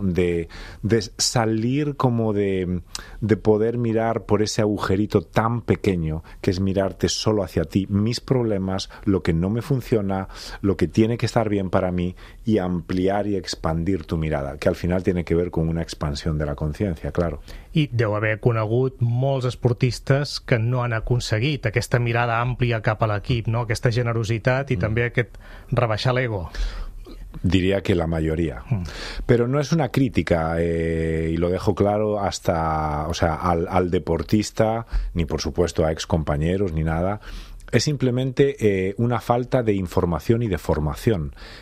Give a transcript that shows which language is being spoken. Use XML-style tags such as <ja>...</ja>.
<es>De salir como de poder mirar por ese agujerito tan pequeño que es mirarte solo hacia ti, mis problemas, lo que no me funciona, lo que tiene que estar bien para mí, y ampliar y expandir tu mirada, que al final tiene que ver con una expansión de la conciencia, claro.</es> <ca>I deu haver conegut molts esportistes que no han aconseguit aquesta mirada àmplia cap a l'equip, no? Aquesta generositat i també aquest rebaixar l'ego.</ca> <es>Diría que la mayoría. Pero no es una crítica, y lo dejo claro, hasta, o sea, al deportista, ni por supuesto a excompañeros ni nada. Es simplemente una falta de información y de formación.</es>